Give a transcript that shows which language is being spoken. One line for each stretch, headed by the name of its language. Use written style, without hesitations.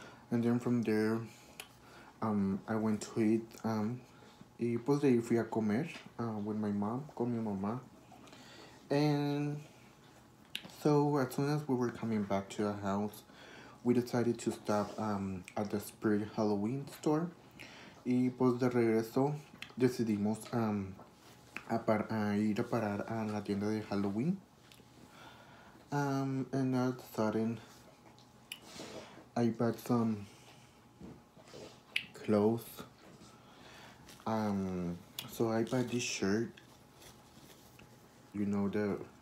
English: And then from there, I went to eat.
Spanish: Y pues de ahí fui a comer
English: with my mom,
Spanish: con mi mamá.
English: And so as soon as we were coming back to the house, we decided to stop at the Spirit Halloween store.
Spanish: Y pues de regreso decidimos ir a parar a la tienda de Halloween.
English: And all of a sudden, I bought some clothes. So I bought this shirt. You know the.